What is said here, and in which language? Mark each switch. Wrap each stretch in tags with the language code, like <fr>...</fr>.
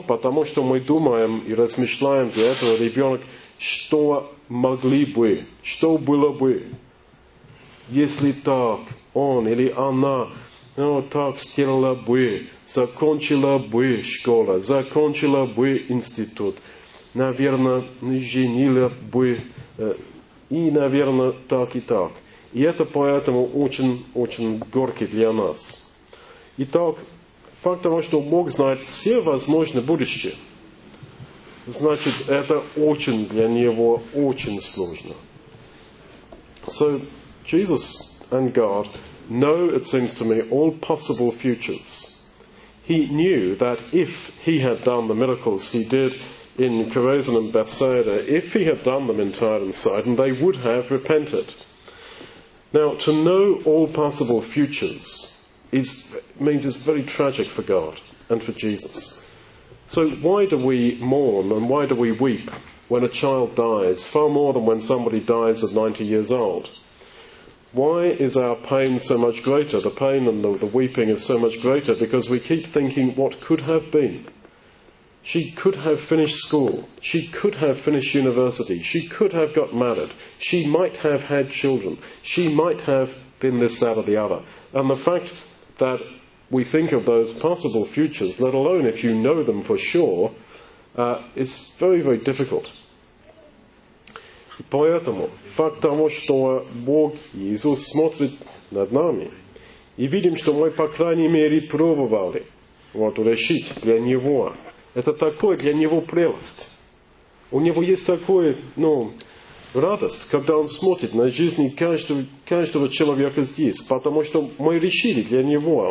<ru>Потому что мы думаем и размышляем для этого ребенок, что могли бы, что было бы, если так он или она, ну, так сделала бы, закончила бы школа, закончила бы институт, наверное, женила бы, и, наверное, так и так. И это поэтому очень-очень горько для нас. Итак, факт того, что Бог знает все возможные будущие, значит, это очень для Него очень сложно.</ru> <en>So, Jesus and God know, it seems to me, all possible futures. He knew that if he had done the miracles he did in Chorazin and Bethsaida, if he had done them in Tyre and Sidon, they would have repented. Now, to know all possible futures means it's very tragic for God and for Jesus. So why do we mourn and why do we weep when a child dies, far more than when somebody dies at 90 years old? Why is our pain so much greater? The pain and the weeping is so much greater because we keep thinking what could have been. She could have finished school. She could have finished university. She could have got married. She might have had children. She might have been this, that, or the other. And the fact that we think of those possible futures, let alone if you know them for sure, is very, very difficult.</en> <ru>Поэтому факт того, что Бог Иисус смотрит над нами и видим, что мы, по крайней мере, пробовали вот, решить для Него. Это такое для Него прелесть. У Него есть такое, ну, радость, когда Он смотрит на жизнь каждого человека здесь, потому что мы решили для Него.</ru>